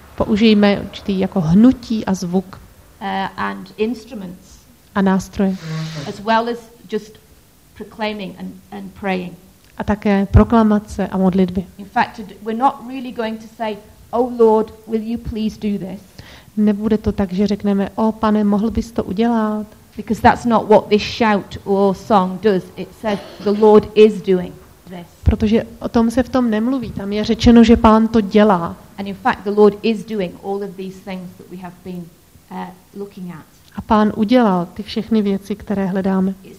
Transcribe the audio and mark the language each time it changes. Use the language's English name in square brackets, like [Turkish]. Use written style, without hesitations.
[Czech] Použijeme určitý jako hnutí a zvuk. [English] And instruments. [Czech] A nástroje. [English] As well as just proclaiming and praying. [Czech] A také proklamace a modlitby. [English] In fact, we're not really going to say, "Oh Lord, will you please do this?" [Czech] Nebude to tak, že řekneme, "O pane, mohl bys to udělat?" [English] Because that's not what this shout or song does. It says the Lord is doing this. [Czech] Protože o tom se v tom nemluví. Tam je řečeno, že pán to dělá. [English] And in fact, the Lord is doing all of these things that we have been looking at. [Czech] A pán udělal ty všechny věci, které hledáme.